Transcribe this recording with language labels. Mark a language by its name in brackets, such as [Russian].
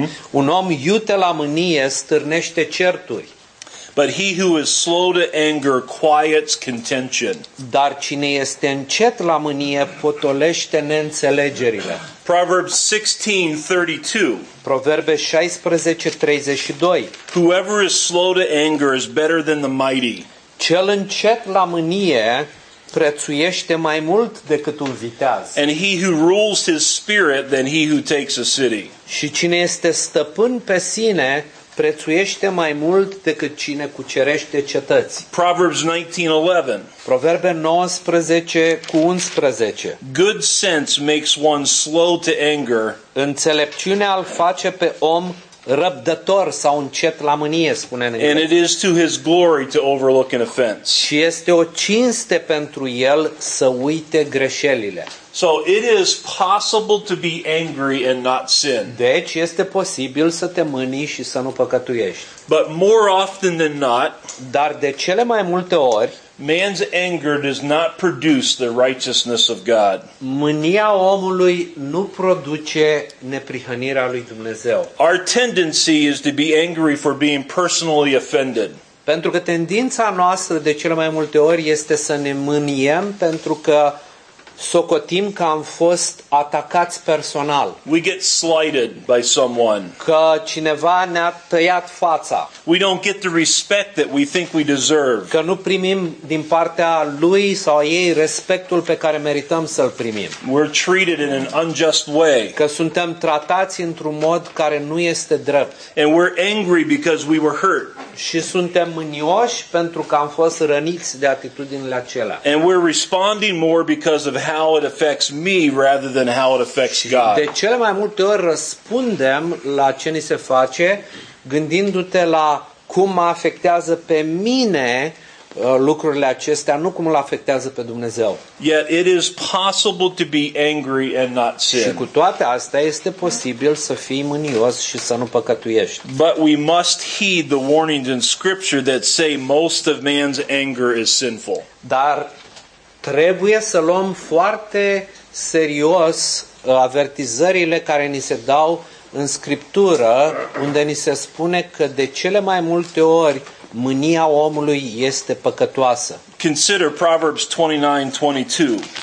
[Romanian] Un om iute la mânie stârnește certuri. [English] But he who is slow to anger quiets contention. [Romanian] Dar cine este încet la mânie potolește neînțelegerile. [English] Proverbs 16:32. [Romanian] Proverbe 16:32. [English] Whoever is slow to anger is better than the mighty. [Romanian] Cel încet la mânie prețuiește mai mult decât un viteaz. [English] And he who rules his spirit than he who takes a city. [Romanian] Și cine este stăpân pe sine Prețuiește mai mult decât cine cucerește cetăți. [English] Proverbs 19:11. [Romanian] Proverbe 19:11. [English] Good sense makes one slow to anger. [Romanian] Înțelepciunea îl face pe om răbdător sau încet la mânie, spune în greacă. [English] And it is to his glory to overlook an offense. [Romanian] Și este o cinste pentru el să uite greșelile. [English] So it is possible to be angry and not sin. [Romanian] Deci este posibil să te mânii și să nu păcătuiești. [English] But more often than not, [Romanian] dar de cele mai multe ori, [English] man's anger does not produce the righteousness of God. [Romanian] Mânia omului nu produce neprihănirea lui Dumnezeu. [English] Our tendency is to be angry for being personally offended. [Romanian] Pentru că tendința noastră de cele mai multe ori este să ne mâniem pentru că socotim că am fost atacați personal. [English] We get slighted by someone. [Romanian] Că cineva ne-a tăiat fața. [English] We don't get the respect that we think we deserve. [Romanian] Că nu primim din partea lui sau ei respectul pe care merităm să-l primim. [English] We're treated in an unjust way. [Romanian] Că suntem tratați într-un mod care nu este drept. [English] And we're angry because we were hurt. [Romanian] Și suntem mânioși pentru că am fost răniți de atitudinile acelea. [English] And we're responding more because of how it affects me rather than how it affects God. [Romanian] De cele mai multe ori răspundem la ce ni se face gândindu-te la cum mă afectează pe mine lucrurile acestea, nu cum îl afectează pe Dumnezeu. [English] Yet it is possible to be angry and not sin. [Romanian] Și cu toate astea este posibil să fii mânios și să nu păcătuiești. [English] But we must heed the warnings in scripture that say most of man's anger is sinful. [Romanian] Dar trebuie să luăm foarte serios avertizările care ni se dau în Scriptură, unde ni se spune că de cele mai multe ori mânia omului este păcătoasă. [English] Consider Proverbs 29:22.